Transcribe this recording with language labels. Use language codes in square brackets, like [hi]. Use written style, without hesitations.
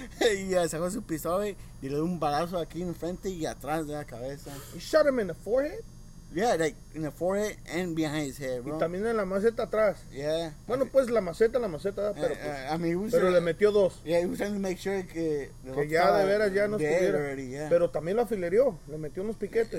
[es] Y sacó su pistola y le dio un balazo aquí en frente y atrás de la cabeza. [en] You shot him in the forehead? Yeah, like in the forehead and behind his head, bro. [es] Y también en la maceta atrás. [en] Yeah. [es] Bueno, pues la maceta, pero le metió dos. [en] Yeah, he was trying to make sure [es] que ya de veras ya no estuviera. [en] Already, yeah. [es] Pero también lo afilereó, le metió unos piquetes.